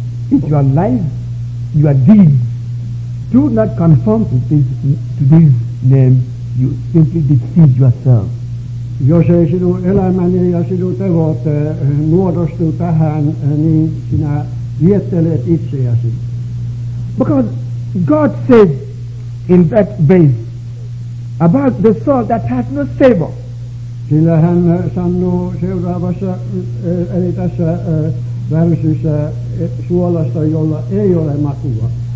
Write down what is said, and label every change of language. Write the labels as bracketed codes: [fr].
[en] Is your life, your deeds, do not conform to this name, you simply deceive yourself. [fi] Jos ei sinun elämäni ja sinun tevot muodostu tähän, niin sinä viettelet itseäsi. [en] Because God says in that verse about the soul that has no savor. [fi] Sillä hän sanoo seuraavassa, eli tässä värsyssä, suolasta, jolla ei ole makua.